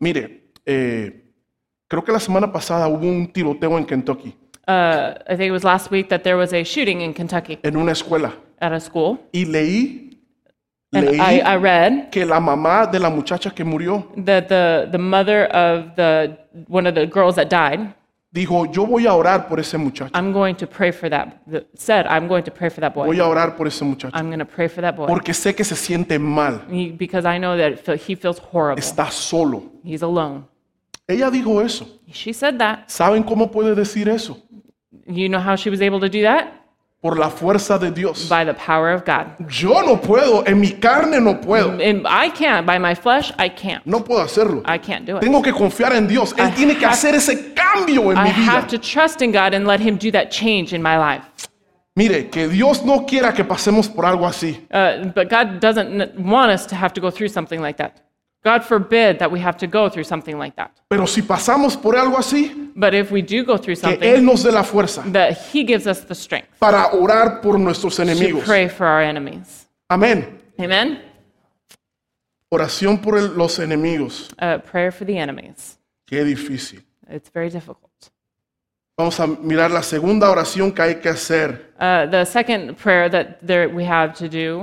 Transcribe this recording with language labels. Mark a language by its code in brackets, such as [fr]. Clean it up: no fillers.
[es] Mire, creo que la semana pasada hubo un tiroteo en Kentucky. [en] I think it was last week that there was a shooting in Kentucky. [es] En una escuela. [en] At a school. [es] Y leí. [en] And [es] leí [en] I read. [es] Que la mamá de la muchacha que murió. [en] That the mother of the one of the girls that died. [es] Dijo, yo voy a orar por ese muchacho. [en] I'm going to pray for that. Said, I'm going to pray for that boy. [es] Voy a orar por ese muchacho. [en] I'm going to pray for that boy. [es] Porque sé que se siente mal. [en] Because I know that he feels horrible. [es] Está solo. [en] He's alone. [es] Ella dijo eso. [en] She said that. [es] ¿Saben cómo puede decir eso? [en] You know how she was able to do that? [es] Por la fuerza de Dios. [en] By the power of God. [es] Yo no puedo. En mi carne no puedo. [en] And I can't. By my flesh, I can't. [es] No puedo hacerlo. [en] I can't do it. [es] Tengo que confiar en Dios. Él tiene que hacer ese cambio en mi vida. [en] I have to trust in God and let Him do that change in my life. [es] Mire, que Dios no quiera que pasemos por algo así. [en] But God doesn't want us to have to go through something like that. God forbid that we have to go through something like that. [es] Pero si pasamos por algo así, [en] but if we do go through something, [es] que Él nos dé la fuerza, [en] that He gives us the strength [es] para orar por nuestros enemigos. [en] To pray for our enemies. [es] Amén. [en] Amen. [es] Oración por los enemigos. [en] Prayer for the enemies. [es] Qué difícil. [en] It's very difficult. [es] Vamos a mirar la segunda oración que hay que hacer. [en] The second prayer that there we have to do.